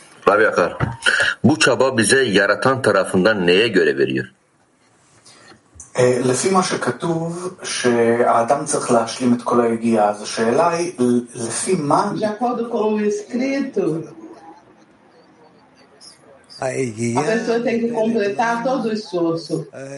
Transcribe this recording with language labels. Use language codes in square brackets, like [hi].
[tr] Rav Yakar, bu çaba bize yaratan tarafından neye göre veriyor? [he] לפי מה שכתוב, שהאדם צריך להשלים את כל היגיעה, אז השאלה היא, לפי מה... [pt] De acordo com o escrito, a pessoa tem que completar todo o esforço.